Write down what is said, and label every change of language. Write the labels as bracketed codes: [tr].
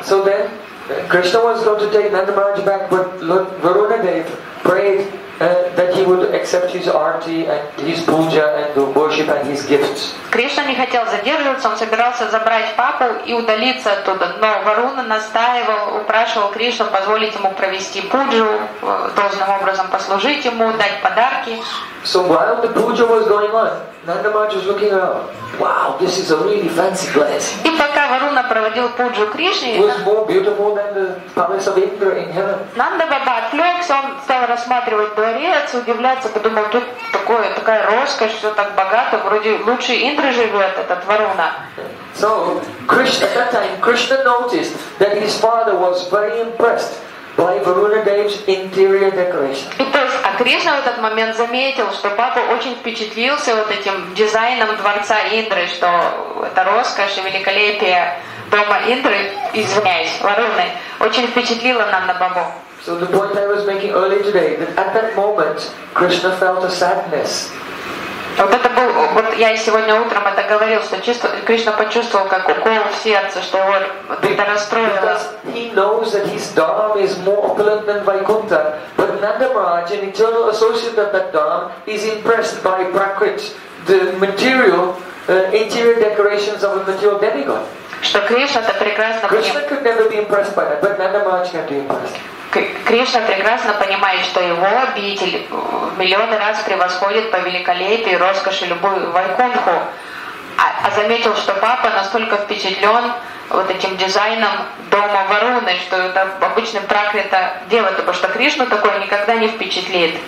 [en] So then, Krishna was going to take Ananda Maharaj back, but Lord Varuna Dev prayed that he would accept his aarti and his puja and the worship and his gifts. [ru] Кришна не хотел задерживаться, он собирался забрать папу и удалиться оттуда, но Варуна настаивал, упрашивал Кришну позволить ему провести пуджу, должным образом послужить ему, дать подарки. [en] So while the puja was going on, Nanda Maharaj was looking around. Wow, this is a really fancy place. [ru] И пока Варуна проводил пуджу Кришне, [en] it was more beautiful than the palace of Indra in heaven. [ru] Нанда Баба отвлекся, он стал рассматривать дворец, удивляться, подумал, тут такая роскошь, все так богато, вроде лучше Индры живет этот Варуна. [en] So, Krishna, at that time, Krishna noticed that his father was very impressed by Varuna Dev's interior decoration. [ru] А Кришна в этот момент заметил, что папа очень впечатлился вот этим дизайном дворца Индры, что это роскошь и великолепие дома Индры, извиняюсь, Варуны, очень впечатлило Нанда Бабу. [en] So the point I was making earlier today, that at that moment, Krishna felt a sadness. [ru] Вот это был, вот я и сегодня утром это говорил, что чисто Кришна почувствовал как укол в сердце, что его это расстроило. [en] Because he knows that his dharma is more opulent than Vaikuntha, but Nanda Maharaj, an eternal associate of that dharma, is impressed by Prakrit, the material, interior decorations of a material demigod. [ru] Что Кришна это прекрасно. [en] Krishna could never be impressed by that, but Nanda Maharaj can be impressed. [ru] Кришна прекрасно понимает, что его обитель миллионы раз превосходит по великолепию, роскоши любую Вайкунху, а заметил, что папа настолько впечатлен вот этим дизайном дома Варуны, что это обычно проклято делать, потому что Кришну такое никогда не впечатлит.